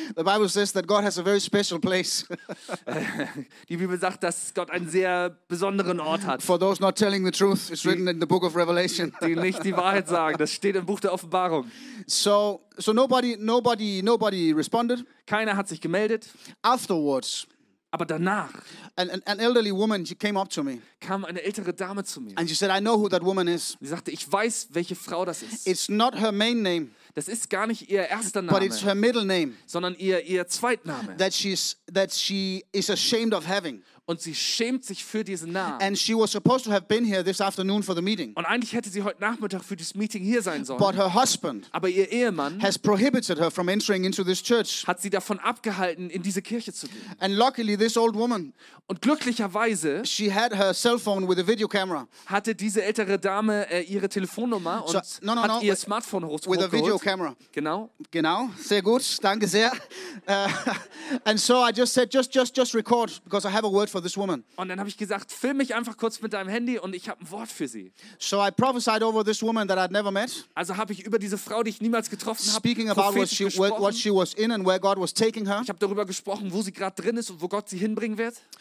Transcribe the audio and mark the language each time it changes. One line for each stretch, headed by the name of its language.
English: The Bible says that God has a very special place.
German: Die Bibel sagt, dass Gott einen sehr besonderen Ort hat.
English: For those not telling the truth, it's written in the book of Revelation.
German: Die nicht die Wahrheit sagen, das steht im Buch der Offenbarung.
English: So nobody responded.
German: Keiner hat sich gemeldet.
English: Afterwards.
German: Aber danach,
English: an elderly woman, she came up to me.
German: Kam eine ältere Dame zu mir.
English: And she said, I know who that woman is.
German: Sie sagte, ich weiß, welche Frau das ist.
English: It's not her main name.
German: Das ist gar nicht ihr erster Name.
English: But it's her middle name.
German: Sondern ihr Zweitname.
English: That she is ashamed of having.
German: Und sie schämt sich für diesen Namen.
English: And she was supposed to have been here this afternoon for the meeting.
German: Und eigentlich hätte sie heute Nachmittag für das Meeting hier sein sollen.
English: But her husband,
German: aber ihr Ehemann,
English: has prohibited her from entering into this church.
German: Hat sie davon abgehalten, in diese Kirche zu gehen.
English: And luckily, this old woman,
German: und glücklicherweise,
English: she had her cell phone with a video camera.
German: Hatte diese ältere Dame ihre Telefonnummer und ihr Smartphone hochgeholt.
English: With a video camera.
German: Genau. Sehr gut. Danke sehr.
English: And so I just said, just record, because I have a word for this woman.
German: Und dann habe ich gesagt, film mich einfach kurz mit deinem Handy und ich habe ein Wort für sie.
English: So I prophesied over this woman that I'd never met.
German: Also habe ich über diese Frau, die ich niemals getroffen habe,
English: speaking about what she was in and where God was taking her.
German: Ich habe darüber gesprochen, wo sie gerade drin ist und wo Gott sie hinbringen wird.